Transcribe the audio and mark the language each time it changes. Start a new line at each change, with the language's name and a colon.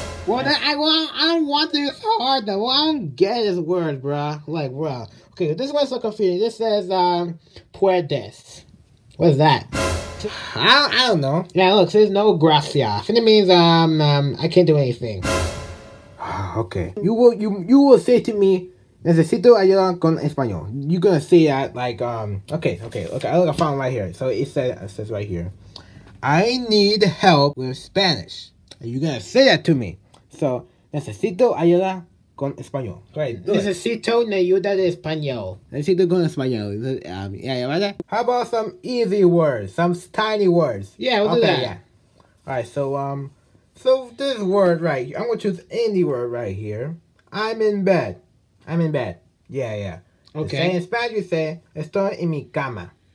English: Well, that, I don't want this hard though. Well, I don't get his words, bruh. Like, bruh. Okay, this one's so confusing. This says, puedes. What's that? I don't know. Yeah, look, there's no gracias. And it means, I can't do anything. Okay. You will say to me,
Spanish: necesito ayuda con español.
English: You're gonna say that, like, Okay. Look, I found it right here. So it says right here. I need help with Spanish. Are you gonna say that to me?
Spanish: So, necesito ayuda con español. Necesito ayuda de español. Necesito con español.
English: Yeah, how about some easy words? Some tiny words. Yeah, we'll do that. Yeah. Alright, so this word right here. I'm gonna choose any word right here. I'm in bed. Yeah. Okay. In Spanish, you say,
Spanish: estoy en mi cama.